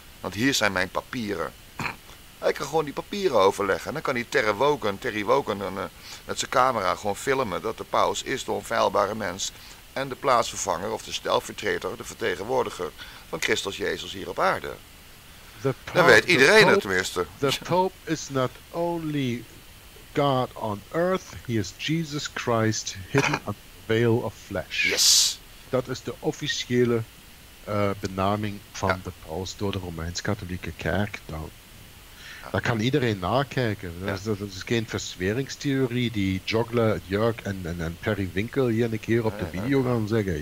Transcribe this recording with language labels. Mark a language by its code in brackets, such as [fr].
[nl] Want hier zijn mijn papieren. Hij kan gewoon die papieren overleggen. En dan kan die Terry Wogan met zijn camera gewoon filmen. Dat de paus is de onfeilbare mens. En de plaatsvervanger of de stelvertreter, de vertegenwoordiger van Christus Jezus hier op aarde. Dan weet iedereen het tenminste. [en] The Pope is not only God on earth, he is Jesus Christ hidden under the veil of flesh. Yes. [nl] Dat is de officiële benaming van de paus door de Romeins-Katholieke Kerk. Daar kan iedereen nakijken. Dat is geen verzweringstheorie die Jogler, Jörg en Perry Winkel hier een keer op de video gaan zeggen.